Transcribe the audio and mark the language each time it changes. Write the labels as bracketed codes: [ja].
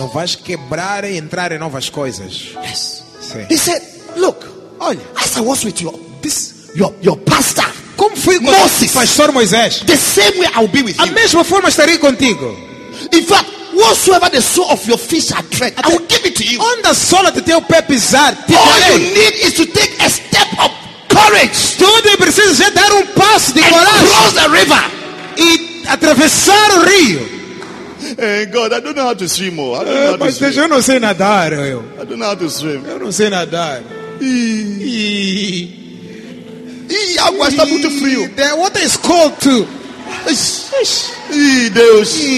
[pt] Não vais quebrar e entrar em novas coisas. [en] Yes. See? He said, look, [pt] olha, [en] as I was with you, this your pastor. [pt] Como fui com [en] Moses, [pt] pastor Moisés. [en] The same way I'll be with a you. [pt] A mesma forma estarei contigo. [en] In fact, whatsoever the sole of your feet shall tread, I will give it to you. On the sole of your feet [pt] pisar, [en] all you need is to take a step of courage. [pt] Tudo que precisas é dar passo de coragem. [en] And cross the river. [pt] E atravessar o rio. [en] Hey God, I don't know how to swim. Oh, I don't know how to swim. [pt] Eu não sei nadar. Eu. I don't know how to swim. Eu não sei nadar. E água está muito frio. [en] The water is cold too. [pt] Deus.